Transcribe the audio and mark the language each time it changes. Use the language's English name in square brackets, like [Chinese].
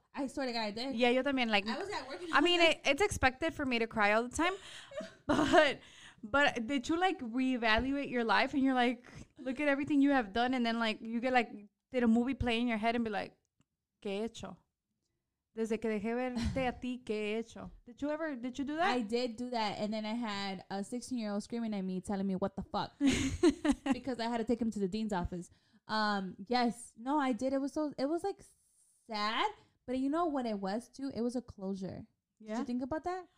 [English] I swear to God, I did. Yeah, you también. Like, I was at work. I mean, it's expected for me to cry all the time, but did you like reevaluate your life and you're like, look at everything you have done, and then like you get like, did a movie play in your head and be like, qué he hecho? [Spanish] Desde que dejé verte a ti, qué he hecho? [English] Did you do that? I did do that, and then I had a 16-year-old screaming at me, telling me what the fuck, because I had to take him to the dean's office. Yes, no, I did. It was like sad, but you know what it was too? It was a closure. Yeah. Did you think about that?